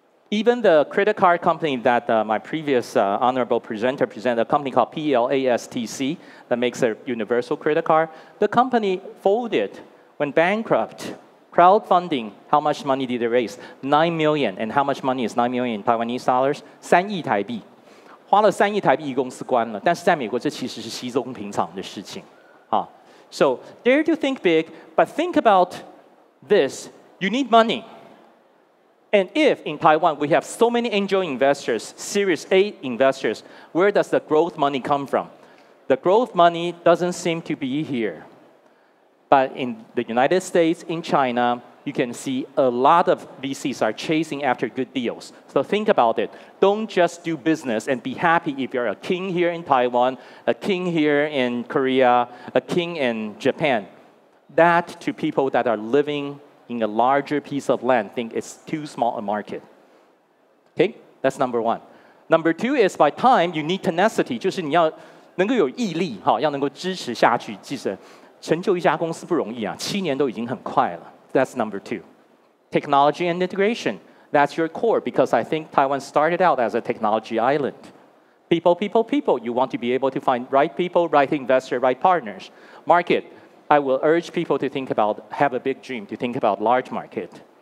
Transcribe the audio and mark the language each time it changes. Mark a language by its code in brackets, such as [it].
[en] Even the credit card company that my previous honorable presenter presented, a company called PLASTC that makes a universal credit card, the company folded, went bankrupt. Crowdfunding, how much money did they raise? 9 million. And how much money is 9 million Taiwanese dollars? [zh] 3亿 台币. 花了3亿 台币一公司关了, 但是在美国这其实是稀松平常的事情. [en] So dare to think big, but think about this. You need money. And if in Taiwan we have so many angel investors, Series A investors, where does the growth money come from? The growth money doesn't seem to be here. But in the United States, in China, you can see a lot of VCs are chasing after good deals. So think about it. Don't just do business and be happy if you're a king here in Taiwan, a king here in Korea, a king in Japan. That, to people that are living in a larger piece of land, think it's too small a market. Okay, that's number one. Number two is by time, you need tenacity. [zh] 就是你要能够有毅力, 要能够支持下去, 成就一家公司不容易啊, 7年都已经很快了. [en] That's number two. Technology and integration. That's your core, because I think Taiwan started out as a technology island. People, people, people. You want to be able to find right people, right investor, right partners. Market. I will urge people to think about, have a big dream, to think about large market.